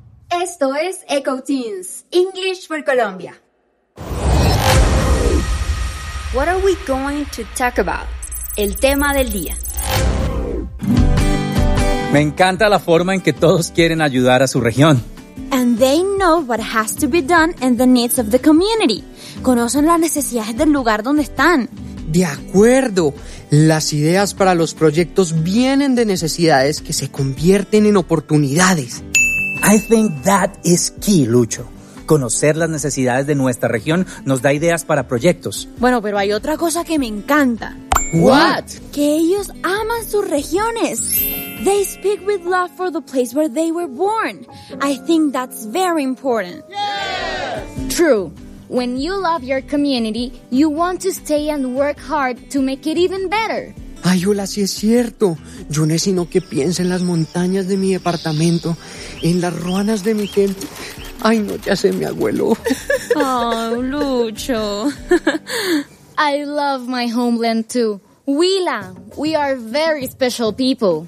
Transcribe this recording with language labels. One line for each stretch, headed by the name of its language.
Spanish: Esto es Eco Teens, English for Colombia.
English: What are we going to talk about?
Spanish: El tema del día. Me encanta la forma en que todos quieren ayudar a su región.
English: And they know what has to be done and the needs of the community.
Spanish: Conocen las necesidades del lugar donde están. De acuerdo. Las ideas para los proyectos vienen de necesidades que se convierten en oportunidades.
English: I think that is key, Lucho.
Spanish: Conocer las necesidades de nuestra región nos da ideas para proyectos. Bueno, pero hay otra cosa que me encanta.
English: What?
Spanish: Que ellos aman sus regiones.
English: They speak with love for the place where they were born. I think that's very important. Yes! True. When you love your community, you want to stay and work hard to make it even better.
Spanish: Ay, hola, sí es cierto. Yo necesito que piense en las montañas de mi departamento, en las ruanas de mi gente. Ay, no, ya sé, mi abuelo.
English: Oh, Lucho. I love my homeland too. Huila, we are very special people.